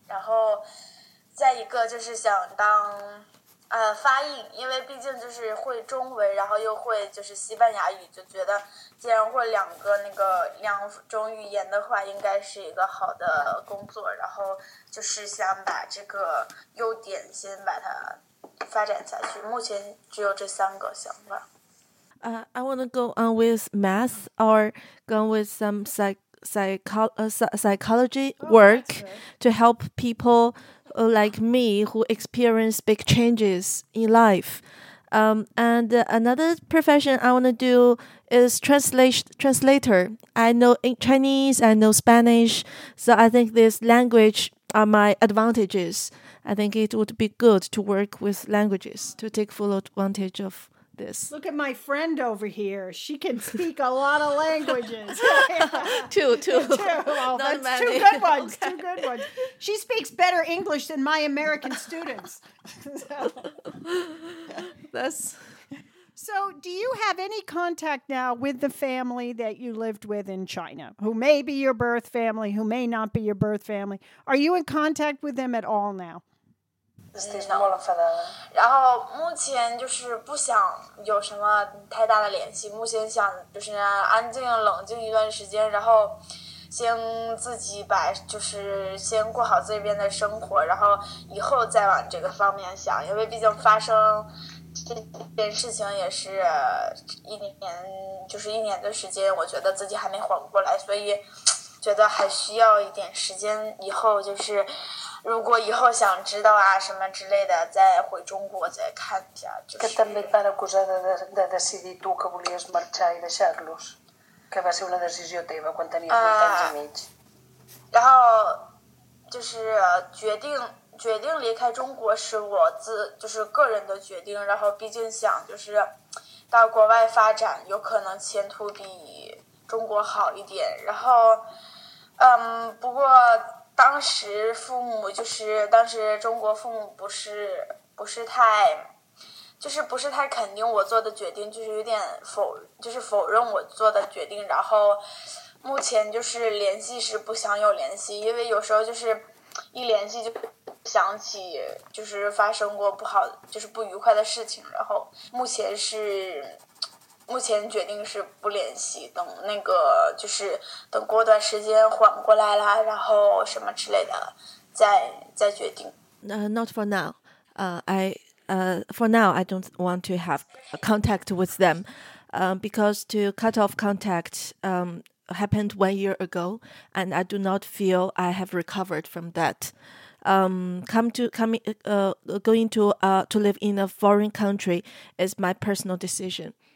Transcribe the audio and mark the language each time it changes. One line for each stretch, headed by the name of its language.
Chinese: 然后再一个就是想当发音，因为毕竟就是会中文，然后又会就是西班牙语，就觉得既然会两种语言的话，应该是一个好的工作。然后就是想把这个优点先把它发展下去，目前只有这三个想法。
English: I want to go on with math or go with some psychology work to help people like me who experience big changes in life. And another profession I want to do is translator. I know Chinese, I know Spanish, so I think this language are my advantages. I think it would be good to work with languages to take full advantage of this. Look at my friend over here. She can speak a lot of languages. two. Oh, that's many. Two good ones. She speaks better English than my American students. So do you have any contact now with the family that you lived with in China, who may be your birth family, who may not be your birth family? Are you in contact with them at all now? No.
Chinese: 然后目前就是不想有什么太大的联系，目前想就是安静冷静一段时间，然后先自己把就是先过好这边的生活，然后以后再往这个方面想，因为毕竟发生这件事情也是一年的时间，我觉得自己还没缓过来，所以觉得还需要一点时间，以后就是如果以后想知道啊什么之类的，再回中国再看一下。就是、
Catalan: que també et van acusar de decidir tu que volies marxar i deixar-los, que va ser una decisió teva quan tenies 8 anys i mig.
Chinese: 然后就是决定离开中国是我自就是个人的决定，然后毕竟想就是到国外发展，有可能前途比中国好一点。然后不过当时父母就是当时中国父母不是太肯定我做的决定，就是有点否认我做的决定。然后目前就是联系是不想有联系，因为有时候就是一联系就想起就是发生过不好就是不愉快的事情，然后目前是目前决定是不联系，等那个就是等过段时间缓过来啦，然后什么之类的再决定。
English: Not for now. For now, I don't want to have contact with them, because to cut off contact happened 1 year ago, and I do not feel I have recovered from that. Going to live in a foreign country is my personal decision.